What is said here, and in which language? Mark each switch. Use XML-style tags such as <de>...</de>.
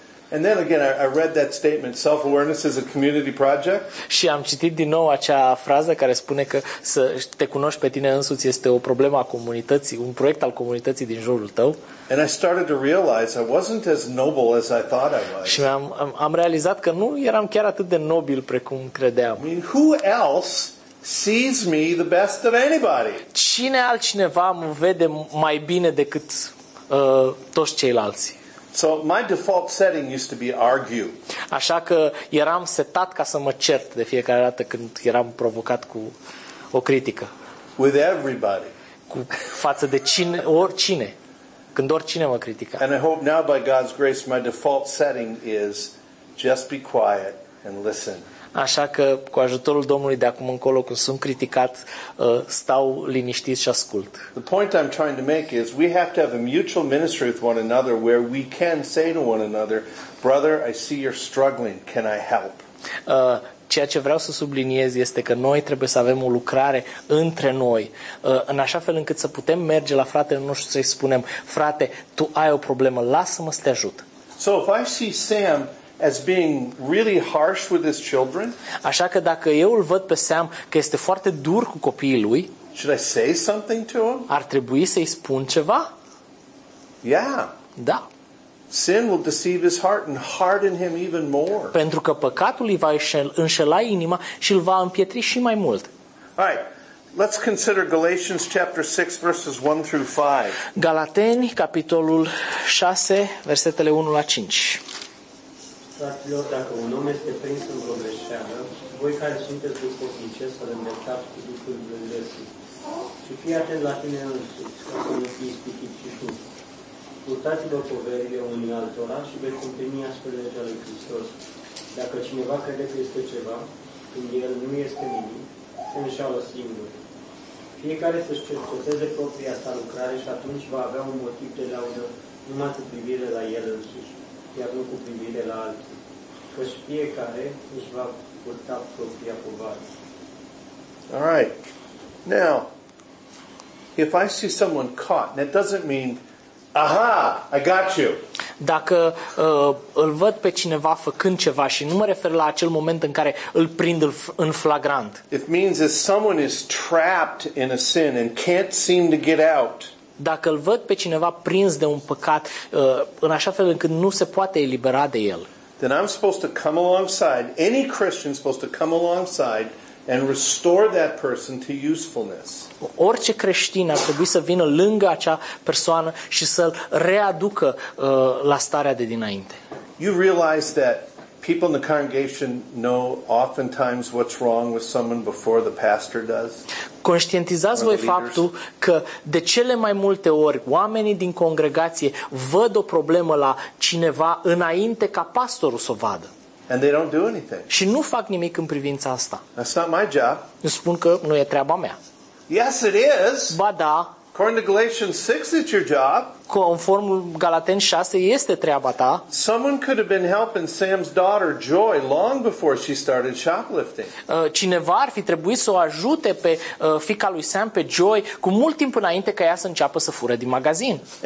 <en>And then again I read that statement, self-awareness is a community project.</en> <ro>Și am citit din nou acea frază care spune că să te cunoști pe tine însuți este o problemă a comunității, un proiect al comunității din jurul tău.</ro> <en>And I started to realize I wasn't as noble as I thought I was.</en> <ro>Și am realizat că nu eram chiar atât de nobil precum credeam.</ro> <en>I mean, who else sees me the best of anybody?</en> <ro>Cine altcineva mă vede mai bine decât toți ceilalți?</ro> <en>So my default setting used to be argue.</en> <ro>Așa că eram setat ca să mă cert de fiecare dată când eram provocat cu o critică.</ro> <en>With everybody.</en> <ro>Cu față de cine, oricine. Când oricine mă critica.</ro> <en>And I hope now by God's grace my default setting is just be quiet and listen.</en> <ro>Așa că cu ajutorul Domnului de acum încolo când sunt criticat, stau liniștit și ascult.</ro> <en>The point I'm trying to make is we have to have a mutual ministry with one another where we can say to one another, brother, I see you're struggling, can I help?</en> <ro>Ceea ce vreau să subliniez este că noi trebuie să avem o lucrare între noi, în așa fel încât să putem merge la fratele nostru să-i spunem, frate, tu ai o problemă, lasă-mă să te ajut.</ro> <en>So if I see Sam as being really harsh with his children?</en> <ro>Așa că dacă eu îl văd pe Sam că este foarte dur cu copiii lui,</ro> <en>should I say something to him?</en> <ro>Ar trebui să-i spun ceva?</ro> <en>Yeah.</en> <ro>Da.</ro> <en>Sin will deceive his heart and harden him even more.</en> <ro>Pentru că păcatul îi va înșela inima și îl va împietri și mai mult.</ro> <en>All right. Let's consider Galatians chapter 6 verses 1 through 5.</en> <ro>Galateni capitolul 6 versetele 1 la 5. Fraților, dacă un om este prins în vreo greșeală, voi care sunteți duhovnice să-l îndreptați cu Duhul Dumnezeu. Și fii atent la tine însuți, ca să nu fii ispitit și tu. Purtați-vă poverile unii altora și veți împlini astfel legea lui Hristos. Dacă cineva crede că este ceva, când el nu este nimic, se înșală singur. fiecare să-și cerceteze propria sa lucrare și atunci va avea un motiv de laudă numai cu privire la el însuși, iar nu cu privire la altul, căci fiecare își va purta propria povară.</ro> <en>All right. Now, if I see someone caught, that doesn't mean, aha, I got you.</en> <ro>Dacă îl văd pe cineva făcând ceva și nu mă refer la acel moment în care îl prind în flagrant.</ro> <en>It means that someone is trapped in a sin and can't seem to get out.</en> <ro>Dacă îl văd pe cineva prins de un păcat în așa fel încât nu se poate elibera de el.</ro> <en>Then I'm supposed to come alongside, any Christian is supposed to come alongside and restore that person to usefulness.</en> <ro>Orice creștin ar trebui să vină lângă acea persoană și să-l readucă la starea de dinainte.</ro> <en>You realize that people in the congregation know oftentimes what's wrong with someone before the pastor does?</en> <ro>Conștientizați voi faptul că de cele mai multe ori oamenii din congregație văd o problemă la cineva înainte ca pastorul să o vadă.</ro> <en>And they don't do anything.</en> <ro>Și nu fac nimic în privința asta.</ro> <en>That's not my job.</en> <ro>Îmi spun că nu e treaba mea.</ro> <en>Yes, it is.</en> <ro>Ba da.</ro> <en>According to Galatians 6, it's your job.</en> <ro>Conform Galaten 6, este treaba ta.</ro> <en>Someone could have been helping Sam's daughter Joy long before she started shoplifting.</en> <ro>Cineva ar fi trebuit să o ajute pe fiica lui Sam, pe Joy, cu mult timp înainte ca ea să înceapă să fure din magazin.</ro>